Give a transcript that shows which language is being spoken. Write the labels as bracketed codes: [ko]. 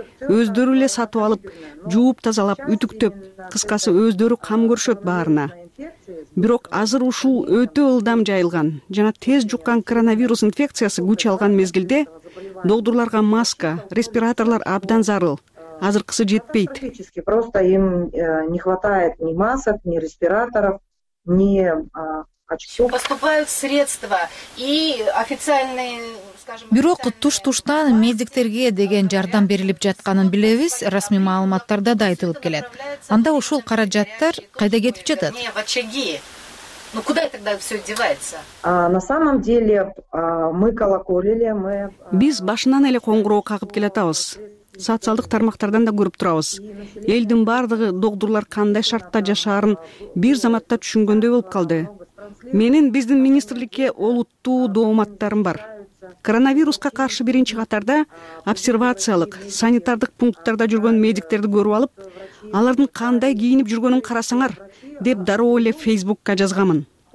[ky] Өздөрү эле сатып алып, жууп тазалап, үтүктөп, кыскасы өздөрү кам көрүшөт баарына. Бирок азыр ушул өтө ылдам жайылган жана тез жуккан коронавирус инфекциясы күч алган мезгилде доктурларга маска, респираторлор абдан зарыл. Азыркысы жетпейт. [ru] Просто им не хватает ни масок, ни респираторов, ни очков. Поступают средства и официальные, скажем, [ky] бирок туш-туштан медиктерге деген жардам берилип жатканын билебиз, расмий маалыматтарда да айтылып келет. Анда ушул каражаттар кайда кетип жатат? [ru] В очаги. Ну куда тогда все девается? На самом деле мы колоколили, мы... [ky] Биз башынан эле коңгуроо кагып келатабыз. Социалдык тармактардан да көрүп турабыз. Элдин баардыгы доктурлар кандай шартта жашаарын бир заматта түшүнгөндөй болуп калды. Менин биздин министрликке олуттуу дооматтарым бар. Коронавируска каршы биринчи катарда обсервациялык, санитардык пункттарда жүргөн медиктерди көрүп алып, алардын кандай кийинип жүргөнүн карасаңар деп дароо эле Facebookка жазганмын.